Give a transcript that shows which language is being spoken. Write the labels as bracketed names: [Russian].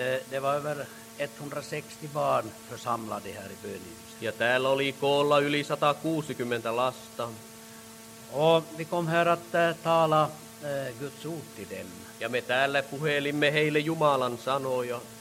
[Swedish] Det var över 160 barn församlade här i bönehuset. [Finnish] Ja täällä oli koolla yli 160 lasta. [Swedish] Och vi kom här att tala Guds ord till dem. [Finnish] Ja me täällä puhelimme heille Jumalan sanoja.